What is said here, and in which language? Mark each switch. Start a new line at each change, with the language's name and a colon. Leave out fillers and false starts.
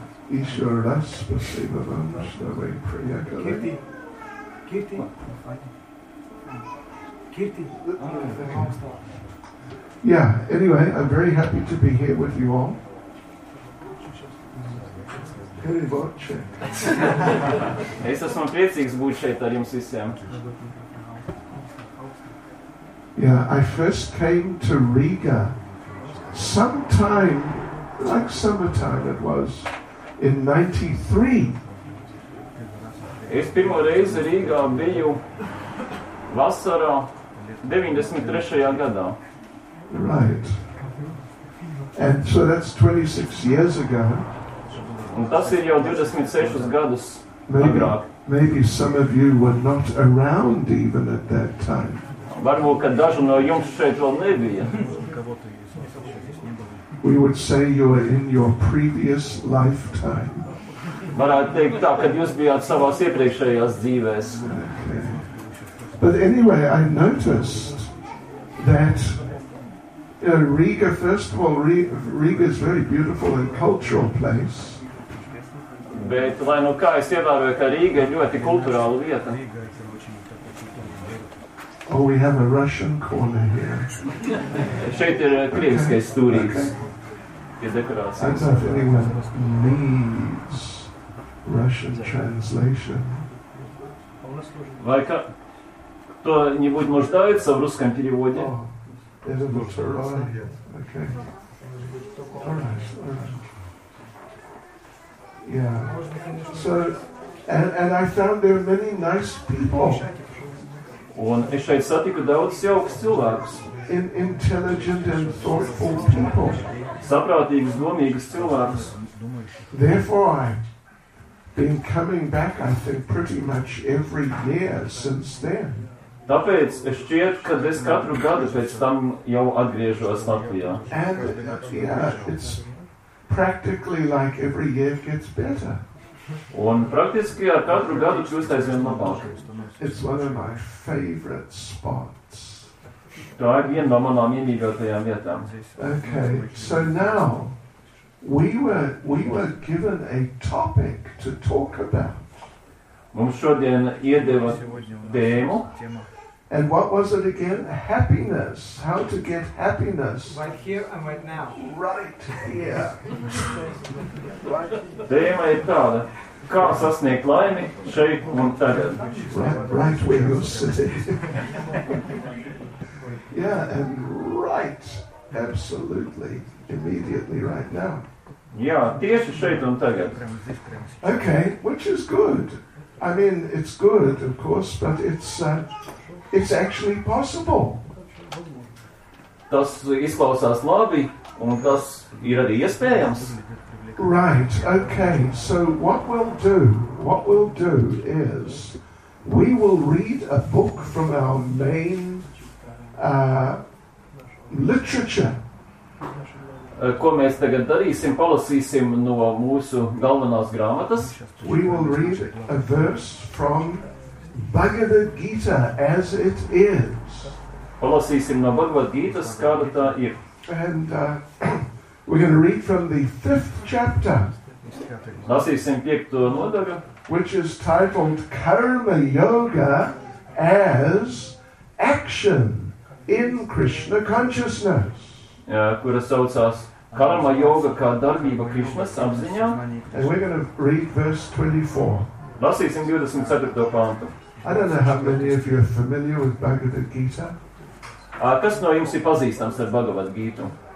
Sanskrit: Ishwaras Pasiva Vamashtave Priya Kali. Kirti. Kirti. Kirti.
English: Yeah, anyway, I'm very happy to be here with you all.
Latvian: Es esmu priecīgs būt šeit ar jums visiem.
English: Yeah, I first came to Riga sometime, like summertime it was, in 93.
Latvian: Es pirmo reizi Rīgā biju vasarā 93. Gadā.
English: Right. And so that's 26 years ago.
Latvian: Un tas ir jau 26 gadus agrāk.
English: Maybe some of you were not around even at that time.
Latvian: Varbūt, ka daži no jums šeit vēl nebija.
English: We would say you were in your previous lifetime.
Latvian: Varētu teikt tā, kad jūs bijāt savās iepriekšējās dzīvēs.
English: Okay. But anyway, I noticed that Riga, first of all, Riga is a very beautiful and cultural place.
Latvian: Bet, lai nu kā es ievēroju, ka Rīga ir ļoti kulturāla vieta.
English: Oh, we have a Russian corner here.
Latvian: Šeit ir krieviskais stūrīks. Tie dekorācijas.
English: I don't know if anyone needs Russian translation.
Latvian: Vai kā?
Russian: To nebūt nuždājuca v ruskam perevodi?
English: Oh, it looks all right. Okay. All right. Yeah. So and I found there are many nice people.
Latvian: Un es šeit satiku daudz jaukas cilvēkus.
English: Intelligent and thoughtful people.
Latvian: Saprātīgus, domīgus cilvēkus.
English: Therefore I've been coming back, I think, pretty much every year since then.
Latvian: Tāpēc es šķiet, ka es katru gadu pēc tam jau atgriežos Latvijā.
English: And yeah, it's practically like every year gets better.
Latvian: Un praktiski ar katru gadu kļūst aizvien labāk.
English: It's one of my favorite spots.
Latvian: Tā ir viena no manām iemīļotajām vietām.
English: Okay, so now we were given a topic to talk about.
Latvian: Mums šodien iedeva tēmu.
English: And what was it again? Happiness. How to get happiness. Right here and right now. Right here.
Latvian: Tēma ir tāda. Kā sasniegt laimi šeit un tagad.
English: Right where you're sitting. Yeah, and right, absolutely, immediately right now.
Latvian: Jā, tieši šeit un tagad.
English: Okay, which is good. I mean, it's good, of course, but it's actually possible.
Latvian: Tas izklausās labi, un tas ir arī iespējams.
English: Right, okay, so what we'll do is, we will read a book from our main literature.
Latvian: Ko mēs tagad darīsim, palasīsim no mūsu galvenās grāmatas.
English: We will read a verse from Bhagavad Gita as it is.
Latvian: Palasīsim no Bhagavad Gītas, kāda tā ir.
English: And we're going to read from the fifth chapter.
Latvian: Lasīsim piekto nodaļu.
English: Which is titled Karma Yoga as Action in Krishna Consciousness.
Latvian: Ja, kura saucās Karma Yoga kā darbība Krishnas apziņā.
English: And we're going to read verse 24.
Latvian: Lasīsim 24. Pantu.
English: I don't know how many of you are familiar with Bhagavad Gita.
Latvian: Kas no jums ir pazīstams ar Bhagavad Gītu?